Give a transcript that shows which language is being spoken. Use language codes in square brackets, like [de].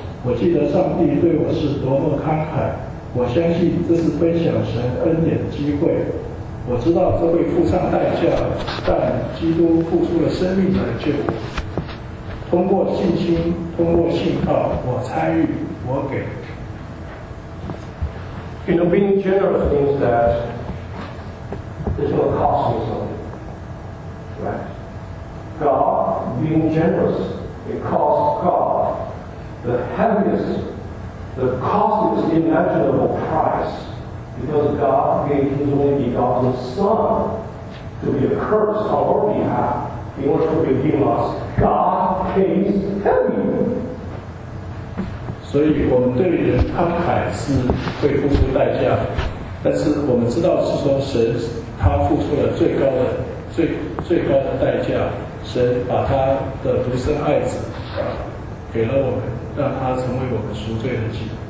[zh] 我记得上帝对我是多么慷慨。我相信这是分享神恩典的机会。我知道这会付上代价，但基督付出了生命来救我。通过信心，通过信靠，我参与，我给。 [en] You know, being generous means that this will cost me something, right? God, being generous, it costs God the heaviest, the costliest imaginable price, because God gave His only begotten Son to be a curse on our behalf in order to redeem us. God pays heavy. [zh] 所以我们对人慷慨是会付出代价，但是我们知道是说神他付出了最高的代价，神把他的独生爱子给了我们，让他成为我们赎罪的祭。